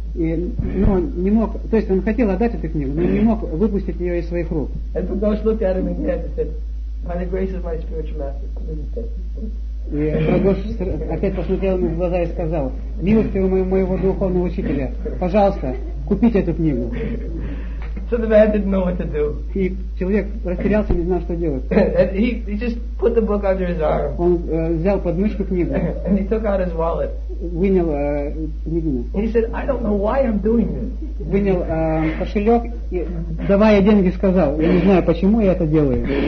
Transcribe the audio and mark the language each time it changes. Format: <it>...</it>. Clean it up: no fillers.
<ru>И он не мог, то есть он хотел отдать эту книгу, но не мог выпустить ее из своих рук.</ru> <en>And Prakash looked at him again and said, "By the grace of my spiritual master, please take this book."</en> <ru>И Прагош опять посмотрел ему в глаза и сказал: "Милости у моего духовного учителя, пожалуйста, купите эту книгу."</ru> <en>So the man didn't know what to do.</en> <ru>И человек растерялся, не знал, что делать.</ru> <en>He just put the book under his arm.</en> <ru>Он взял подмышку книгу.</ru> <en>And he took out his wallet.</en> <ru>Вынял книгу.</ru> <en>And he said, "I don't know why I'm doing this."</en> <ru>Вынял кошелек и, давая деньги, сказал: "Я не знаю, почему я это делаю."</ru>